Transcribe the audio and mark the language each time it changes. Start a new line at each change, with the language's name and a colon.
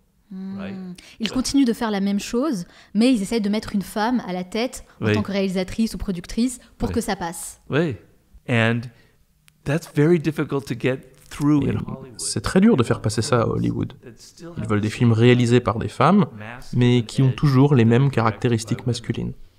French: Ils continuent de faire la même chose, mais ils essayent de mettre une femme à la tête en tant que réalisatrice ou productrice pour que ça passe.
English: Oui, and that's very difficult to get through.
French: Et c'est très dur de faire passer ça à Hollywood. Ils veulent des films réalisés par des femmes, mais qui ont toujours les mêmes caractéristiques masculines.